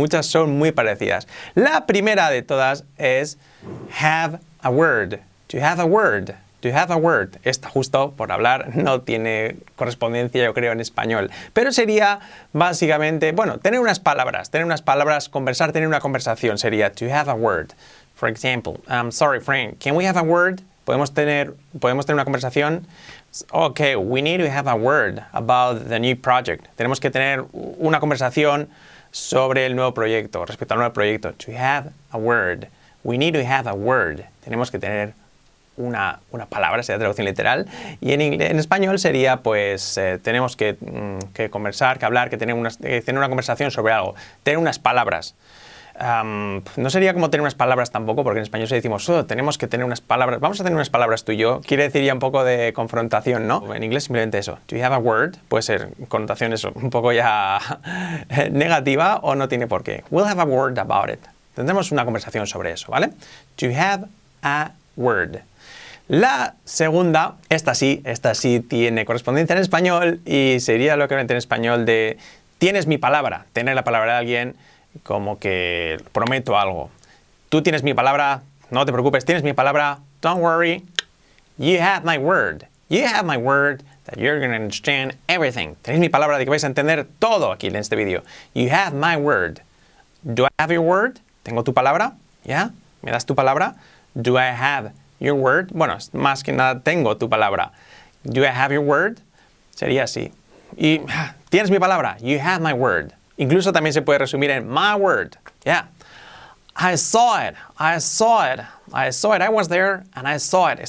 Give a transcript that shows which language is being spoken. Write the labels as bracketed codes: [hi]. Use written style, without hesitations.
[es] Muchas son muy parecidas. La primera de todas es [en] have a word, to have a word. To have a word. [es] Esta, justo por hablar, no tiene correspondencia, yo creo, en español. Pero sería, básicamente, bueno, tener unas palabras, conversar, tener una conversación, sería to have a word. [en] For example, I'm sorry, Frank, can we have a word? [es] ¿Podemos tener una conversación? [en] Okay, we need to have a word about the new project. [es] Tenemos que tener una conversación sobre el nuevo proyecto, respecto al nuevo proyecto. [en] To have a word. [es] We need to have a word. Tenemos que tener una palabra, sería traducción literal, y en español sería, pues, tenemos que conversar, que hablar, que tener una conversación sobre algo, tener unas palabras. No sería como tener unas palabras tampoco, porque en español se decimos, tenemos que tener unas palabras, vamos a tener unas palabras tú y yo, quiere decir ya un poco de confrontación, ¿no? En inglés simplemente eso, [en] do you have a word, [es] puede ser connotación eso, un poco ya negativa o no tiene por qué. [en] We'll have a word about it, [es] tendremos una conversación sobre eso, ¿vale? [en] To have a word. [es] La segunda, esta sí tiene correspondencia en español y sería lo que vente en español de tienes mi palabra, tener la palabra de alguien como que prometo algo. Tú tienes mi palabra, no te preocupes, tienes mi palabra, [en] don't worry, you have my word. You have my word that you're going to understand everything. [es] Tenéis mi palabra de que vais a entender todo aquí en este vídeo. [en] You have my word. Do I have your word? [es] ¿Tengo tu palabra? ¿Ya? ¿Me das tu palabra? [en] Do I have your word? [es] Bueno, más que nada, tengo tu palabra. [en] Do I have your word? [es] Sería así. Y tienes mi palabra. [en] You have my word. [es] Incluso también se puede resumir en [en] my word. Yeah. I saw it. I saw it. I saw it. I was there and I saw it.